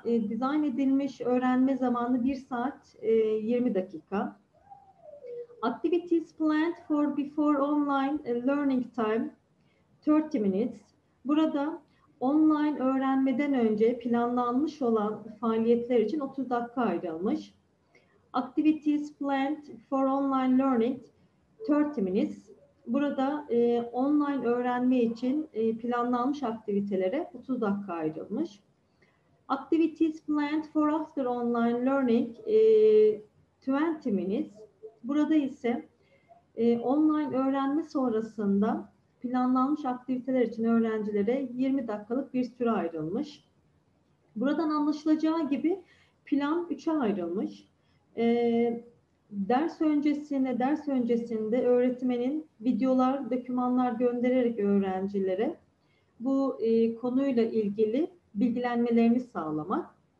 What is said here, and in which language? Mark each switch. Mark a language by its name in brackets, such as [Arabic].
[Turkish] Dizayn edilmiş öğrenme zamanı 1 saat 20 dakika. [English] Activities planned for before online learning time 30 minutes. [Turkish] Burada online öğrenmeden önce planlanmış olan faaliyetler için 30 dakika ayrılmış. [English] Activities planned for online learning 30 minutes. [Turkish] Burada online öğrenme için planlanmış aktivitelere 30 dakika ayrılmış. [English] Activities planned for after online learning 20 minutes. [Turkish] Burada ise online öğrenme sonrasında planlanmış aktiviteler için öğrencilere 20 dakikalık bir süre ayrılmış. Buradan anlaşılacağı gibi plan 3'e ayrılmış. Ders öncesinde öğretmenin videolar, dokümanlar göndererek öğrencilere bu konuyla ilgili bilgilenmelerini sağlamak.